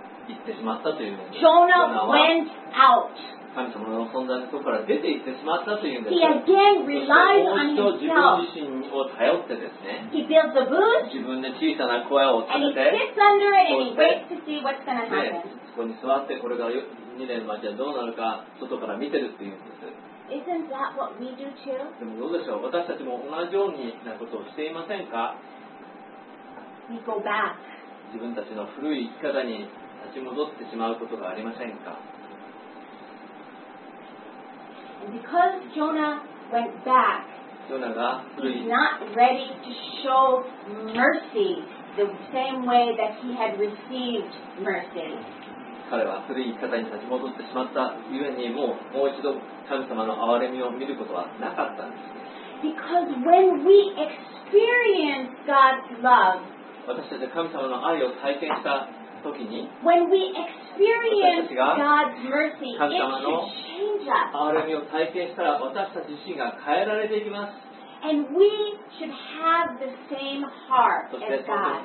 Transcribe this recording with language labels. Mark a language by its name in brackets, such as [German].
[Japanese] 行ってしまったというんです。 [English] Jonah went out. [Japanese] 神様の存在のところから出て行ってしまったというんです。 [English] He again relied on himself. [Japanese] もう一度自分自身を頼ってですね。 [English] He built a booth. [Japanese] 自分で小さな小屋を建てて。 [English] And he sits under it and he waits to see what's going to happen. [Japanese] そこに座ってこれが2年間じゃどうなるか外から見てるっていうんです。 [English] Isn't that what we do too? [Japanese] でもどうでしょう、私たちも同じようになことをしていませんか。 [English] We go back. [Japanese] 自分たちの古い生き方に立ち戻ってしまうことがありませんか。 [English] And because Jonah went back, [Japanese] ジョナが古い [English] He's not ready to show mercy the same way that he had received mercy. [Japanese] 彼は古い方に立ち戻ってしまったゆえにもう一度神様の憐れみを見ることはなかったんです。 [English] Because when we experience God's love, [Japanese] 私たちが神様の愛を体験した時に [English] when we experience God's mercy, [Japanese] 神様の憐れみを体験したら私たち自身が変えられていきます。 [English] And we should have the same heart as God.